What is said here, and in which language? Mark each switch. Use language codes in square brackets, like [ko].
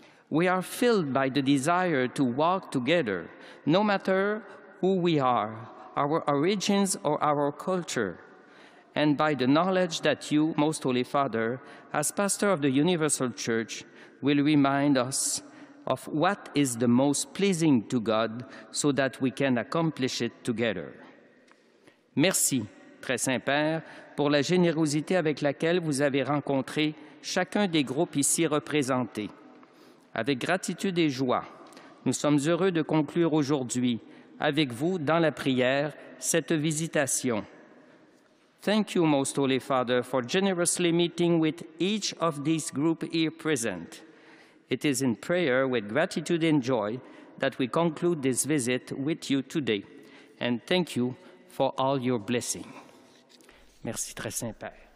[en] We are filled by the desire to walk together, no matter who we are, our origins, or our culture, and by the knowledge that you, Most Holy Father, as Pastor of the Universal Church, will remind us of what is the most pleasing to God so that we can accomplish it together. [fr] Merci, très Saint-Père, pour la générosité avec laquelle vous avez rencontré chacun des groupes ici représentés. Avec gratitude et joie, nous sommes heureux de conclure aujourd'hui avec vous dans la prière cette visitation. [en] Thank you, Most Holy Father, for generously meeting with each of these groups here present. It is in prayer with gratitude and joy that we conclude this visit with you today. And thank you for all your blessings. [fr] Merci, très Saint-Père.